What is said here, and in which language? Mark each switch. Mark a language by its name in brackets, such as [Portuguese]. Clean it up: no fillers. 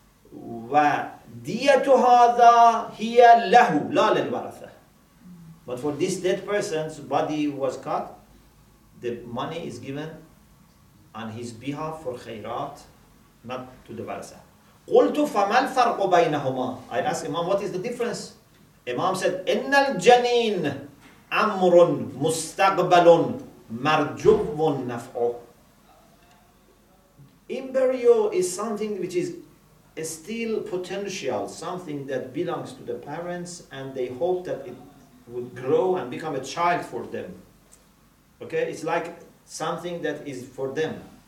[Arabic] وَدِيَةُ هَذَا هِيَ لَهُ لَا لِلْوَرَثَةِ. [English] But for this dead person's body was cut, the money is given on his behalf for khairat, not to the Barasa. [Arabic] قلت فما الفرق بينهما. [English] I asked Imam, what is the difference? Imam said, [Arabic] إن الجنين أمر مستقبل مرجو نفعه. [English] Embryo is something which is still potential, something that belongs to the parents and they hope that it would grow and become a child for them. Okay, it's like something that is for them.